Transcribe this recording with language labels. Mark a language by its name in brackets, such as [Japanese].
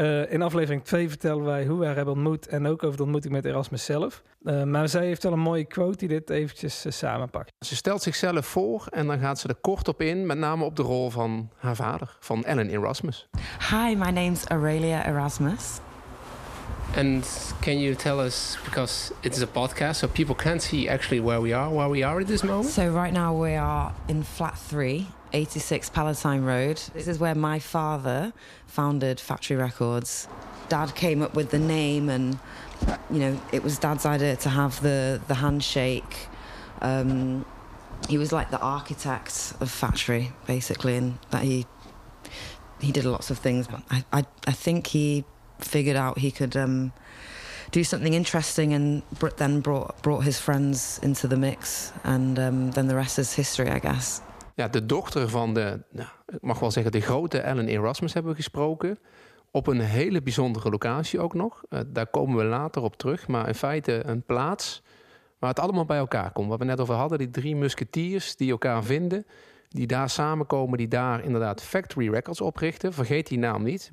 [Dutch] In aflevering 2 vertellen wij hoe we haar hebben ontmoet. En ook over de ontmoeting met Erasmus zelf. Maar zij heeft wel een mooie quote die dit eventjes samenpakt. Ze stelt zichzelf voor en dan gaat ze er kort op in. Met name op de rol van haar vader, van Ellen Erasmus. [English] Hi, my name's Aurelia Erasmus. And can you tell us, because it is a podcast, so people can't see actually where we are at this moment? So right now we are in flat 3, 86 Palatine Road. This is where my father founded Factory Records. Dad came up with the name and, you know, it was Dad's idea to have the handshake. He was like the architect of Thatchery, basically, and that he did lots of things. But I think he figured out he could do something interesting, and then brought his friends into the mix, and then the rest is history, I guess. [Dutch] Ja, de dochter van de, ik mag wel zeggen, de grote Alan Erasmus hebben we gesproken. Op een hele bijzondere locatie ook nog. Daar komen we later op terug. Maar in feite een plaats waar het allemaal bij elkaar komt. Wat we net over hadden, die drie musketeers die elkaar vinden. Die daar samenkomen, die daar inderdaad Factory Records oprichten. Vergeet die naam niet.